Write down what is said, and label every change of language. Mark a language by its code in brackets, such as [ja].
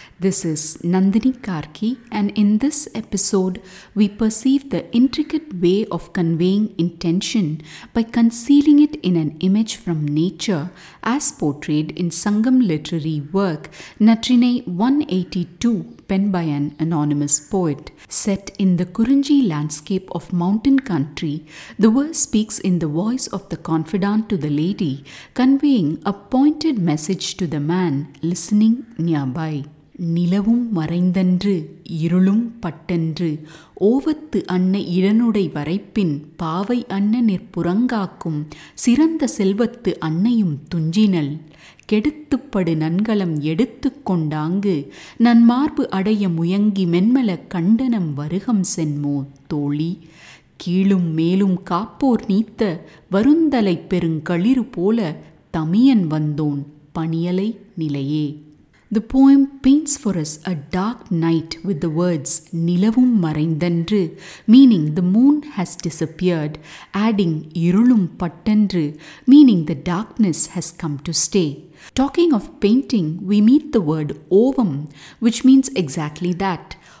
[en] This is Nandini Karki, and in this episode, we perceive the intricate way of conveying intention by concealing it in an image from nature as portrayed in Sangam Literary work Natrinai 182, penned by an anonymous poet. Set in the Kurinji landscape of mountain country, the verse speaks in the voice of the confidant to the lady, conveying a pointed message to the man listening nearby. [ta] நிலவும் மறைந்தன்று இருளும் பட்டென்று ஓவத்து அன்ன இடனுடை வரைப்பின் பாவை அன்ன நிற்புறங்காக்கும் சிறந்த செல்வத்து அன்னையும் துஞ்சினல் கெடுத்துப்படு நன்கலம் எடுத்து கொண்டாங்கு நன்மார்பு அடைய முயங்கி மென்மல கண்டனம் வருகம் சென்மோ தோழி கீழும் மேலும் காப்போர் நீத்த வருந்தலை பெருங்களிறு போல தமியன் வந்தோன் பணியலை நிலையே. [en] The poem paints for us a dark night with the words [ta] nilavum maraindendru, [en] meaning the moon has disappeared, adding [ta] irulum pattendru, [en] meaning the darkness has come to stay. Talking of painting, we meet the word ovum, which means exactly that.